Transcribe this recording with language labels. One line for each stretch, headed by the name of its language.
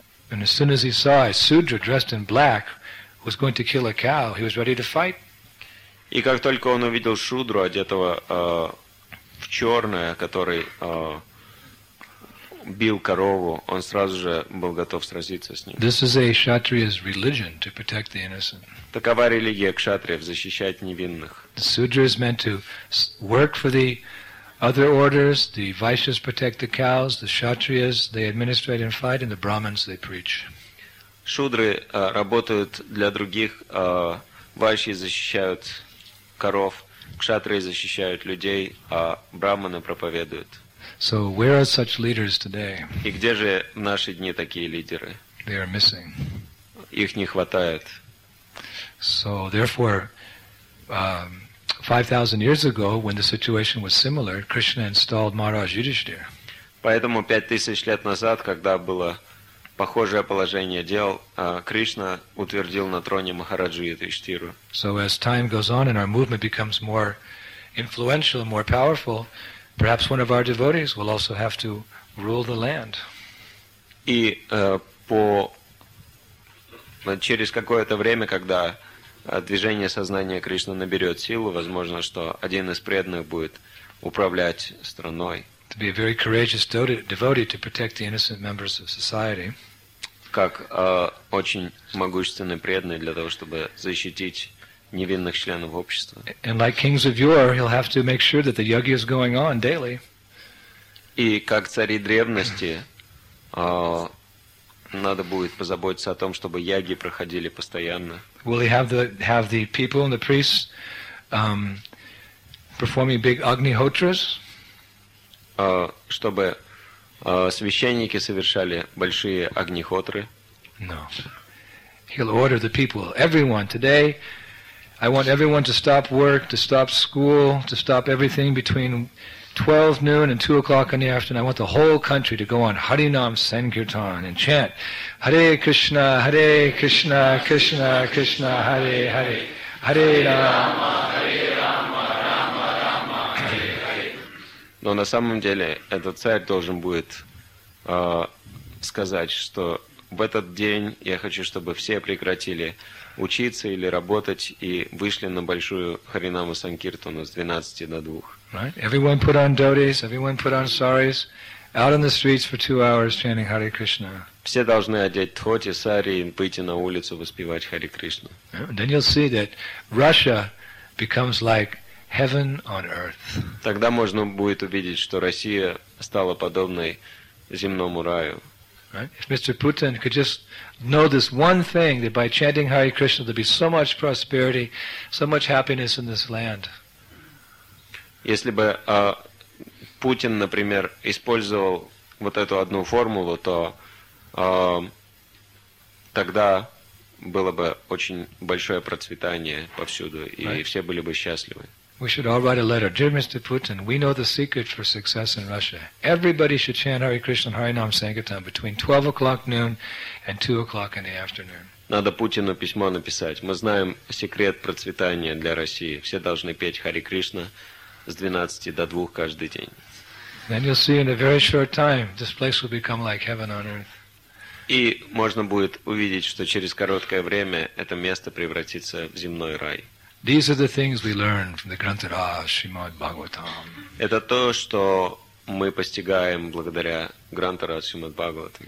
English: And as soon as he saw a sudra dressed in black was going to kill a cow, he was ready to fight.
Russian: И как только он увидел шудру, одетого в черное, который бил корову, он сразу же был готов сразиться с ним.
English: This is a kshatriya's religion, to protect the innocent.
Russian: Такова религия кшатриев, защищать невинных.
English: The sudra is meant to work for the other orders. The vaishyas protect the cows, the kshatriyas, they administrate and fight, and the brahmins, they preach.
Russian: Шудры работают для других, вайши защищают коров, кшатрии защищают людей, а брахманы проповедуют.
English: So where are such leaders today?
Russian: И где же в наши дни такие лидеры?
English: They are missing.
Russian: Их не хватает.
English: So therefore, 5,000 years ago, when the situation was similar, Krishna installed Maharaj Yudhishthira.
Russian: Поэтому 5,000 лет назад, когда было похожее положение дел, Кришна утвердил на троне Махараджу Юдхиштхиру.
English: So as time goes on and our movement becomes more influential, more powerful, perhaps one of our devotees will also have to rule the land.
Russian: И через какое-то время, когда движение сознания Кришны наберет силу, возможно, что один из преданных будет управлять страной.
English: To be a very courageous devotee to protect the innocent members of society.
Russian: Как очень могущественный преданный для того, чтобы защитить невинных членов общества.
English: And like kings of yore, he'll have to make sure that the yagya is going on daily.
Russian: И как цари древности, надо будет позаботиться о том, чтобы яги проходили постоянно.
English: Will he have the people and the priests performing big agnihotras?
Russian: Чтобы священники совершали большие агнихотры?
English: No. He'll order the people, everyone today. I want everyone to stop work, to stop school, to stop everything between 12 noon and 2 o'clock in the afternoon. I want the whole country to go on Harinam Sankirtan and chant Hare Krishna, Krishna, Krishna, Hare Hare, Hare Rama, Hare Rama, Rama Rama, Hare Hare.
Russian: Но на самом деле этот царь должен будет сказать, что в этот день я хочу, чтобы все прекратили учиться или работать и вышли на большую Харинаму Санкиртану с 12 до 2.
English: Right. Everyone put on dhotis, everyone put on saris, out on the streets for 2 hours chanting Hare Krishna.
Russian: Все должны одеть дхоти, сари и выйти на улицу воспевать Харе Кришну.
English: Then you'll see that Russia becomes like heaven on earth.
Russian: Тогда можно будет увидеть, что Россия стала подобной земному раю.
English: Right? If Mr. Putin could just know this one thing, that by chanting Hare Krishna there'd be so much prosperity, so much happiness in this land.
Russian: Если бы Путин, например, использовал вот эту одну формулу, то тогда было бы очень большое процветание повсюду, и
English: right?
Russian: Все были бы счастливы.
English: We should all write a letter. Dear Mr. Putin, we know the secret for success in Russia. Everybody should chant Hare Krishna and Hare Nam Sankirtan between 12 o'clock noon and 2 o'clock in the afternoon.
Russian: Надо Путину письмо написать. Мы знаем секрет процветания для России. Все должны петь Hare Krishna с 12 до 2 каждый день.
English: Then you'll see in a very short time this place will become like heaven on earth.
Russian: И можно будет увидеть, что через короткое время это место превратится в земной рай.
English: These are the things we learn from the Granth Sarav, Srimad Bhagavatam.
Russian: Это то, что мы постигаем благодаря Грантара Шримад Бхагаватам,